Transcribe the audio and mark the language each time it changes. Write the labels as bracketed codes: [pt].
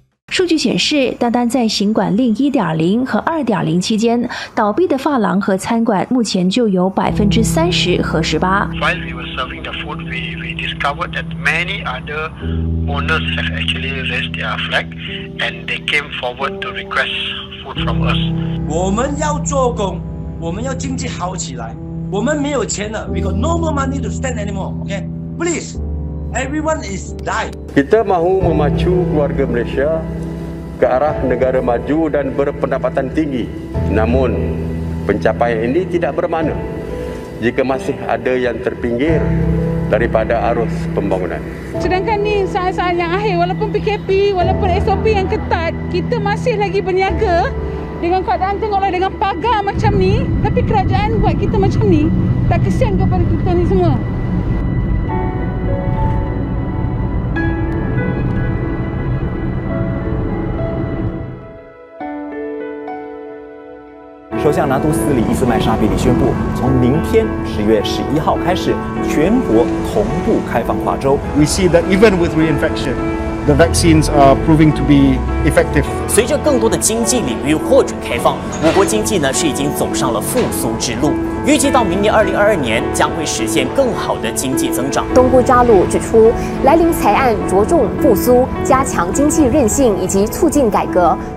[zh] 数据显示，单单在行管令 1.0 和 2.0 期间，倒闭的发廊和餐馆目前就有 30% 和 18%。 [en] While we were serving the food, we discovered that many other owners have actually raised their flag and they came forward to request food from us. [zh] 我们要做工，我们要经济好起来，我们没有钱了， [en] we got no more money to stand anymore, okay? Please! Everyone is dying. [ms] Kita mahu memacu keluarga Malaysia ke arah negara maju dan berpendapatan tinggi. Namun, pencapaian ini tidak bermakna jika masih ada yang terpinggir daripada arus pembangunan. Sedangkan ini saat-saat yang akhir, walaupun PKP, walaupun SOP yang ketat, kita masih lagi berniaga dengan keadaan tengoklah dengan pagar macam ni. Tapi kerajaan buat kita macam ni, tak kesian kepada kita ni semua. [zh] 首相拿督斯里伊斯麦沙比里宣布，从明天10月11号开始，全国同步开放跨州。 [en] We see that even with reinfection, the vaccines are proving to be effective. [zh] 随着更多的经济领域获准开放，我国经济呢是已经走上了复苏之路。预计到明年2022年将会实现更好的经济增长。东姑扎鲁指出，来临财案着重复苏、加强经济韧性以及促进改革。